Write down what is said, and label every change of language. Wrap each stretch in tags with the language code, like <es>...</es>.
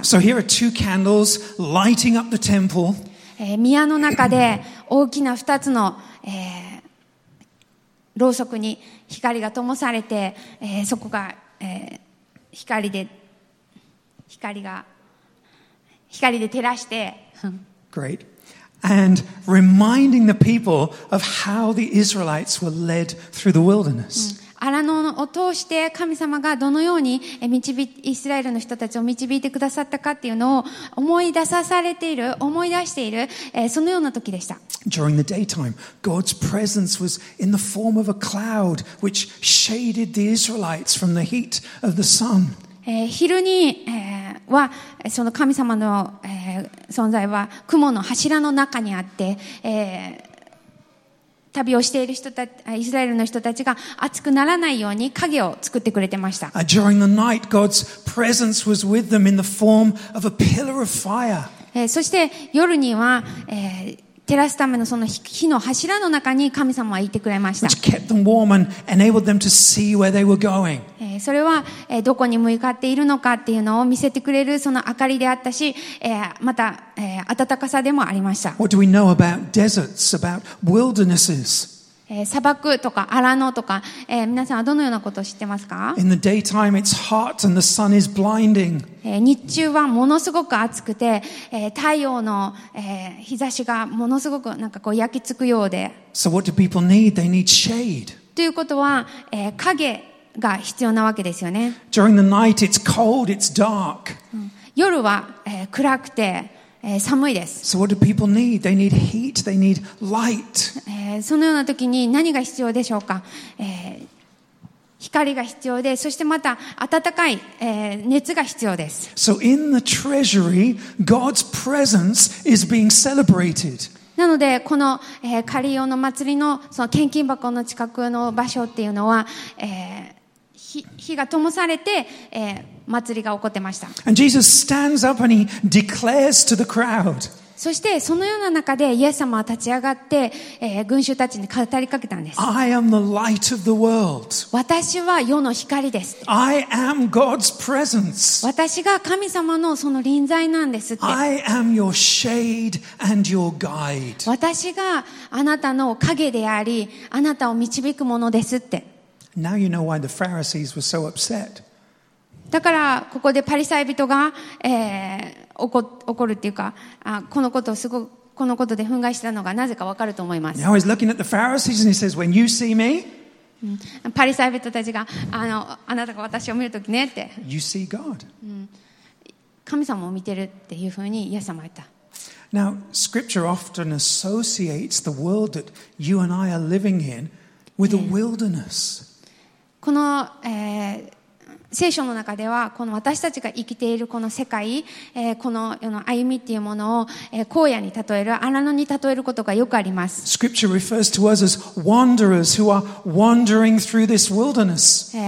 <en>So here are two candles lighting up the temple.</en> <ja>宮の中で大きな二つの、ろうそくに光が灯されて、そこが、光で照らして</ja> <en>Great. And reminding the people of how the Israelites were led through the wilderness.</en> <ja>荒野を通して神様がどのようにイスラエルの人たちを導いてくださったかっていうのを思い出さされている、思い出している、そのような時でした。</ja> <en>During the daytime, God's presence was in the form of a cloud, which shaded the Israelites from the heat of the sun.</en> <ja>昼に、はその神様の、存在は雲の柱の中にあって、旅をしている人たち、イスラエルの人たちが暑くならないように影を作ってくれてました。</ja> <en>During the night, God's presence was with them in the form of a pillar of fire.</en> <ja>そして夜には、照らすためのその火の柱の中に神様はいてくれました。</ja> <en>Which kept them warm and enabled them to see where they were going.</en> <ja>それは、どこに向かっているのかっていうのを見せてくれるその明かりであったし、また、暖かさでもありました。</ja> <en>What do we know about deserts, about wildernesses?</en> <ja>砂漠とか荒野とか、皆さんはどのようなことを知ってますか？</ja> <en>In the daytime, it's hot and the sun is blinding.</en> <ja>日中はものすごく暑くて、太陽の、日差しがものすごくなんかこう焼きつくようで。</ja> <en>So what do people need? They need shade.</en> <ja>ということは、影が必要なわけですよね。</ja> <en>During the night, it's cold, it's dark.</en> <ja>夜は、暗くて、寒いです。</ja> <en>So what do people need? They need heat. They need light.</en> <ja>そのような時に何が必要でしょうか。光が必要で、そしてまた暖かい、熱が必要です。</ja> <en>So in the treasury, God's presence is being celebrated.</en> <ja>なのでこの、カリオの祭りのその献金箱の近くの場所っていうのは、火が灯されて。祭りが起こってました。</ja> <en>And Jesus stands up and he declares to the crowd.</en> <ja>そしてそのような中でイエス様は立ち上がって、群衆たちに語りかけたんです。</ja> <en>I am the light of the world.</en> <ja>私は世の光です。</ja> <en>I am God's presence.</en> <ja>私が神様のその臨在なんですって。</ja> <en>I am your shade and your guide.</en> <ja>私があなたの影であり、あなたを導くものですって。</ja> <en>Now you know why the Pharisees were so upset.</en> <ja>だからここでパリサイ人が、怒るっていうか、このことをすごくこのことで憤慨したのがなぜかわかると思います。</ja> <en>Now he's looking at the Pharisees and he says, "When you see me,"</en> <ja>パリサイ人たちがあなたが私を見るときねって、</ja> <en>You see God.、</en> <ja>神様を見てるっていうふうにイエス様は言った。</ja> <en>Now scripture often associates the world that you and I are living in with a wilderness.、</en> <ja>この、聖書の中ではこの私たちが生きているこの世界、この世の歩みっていうものを、荒野に例える荒野に例えることがよくあります。</ja> <en>Scripture refers to us as wanderers who are wandering through this wilderness.</en>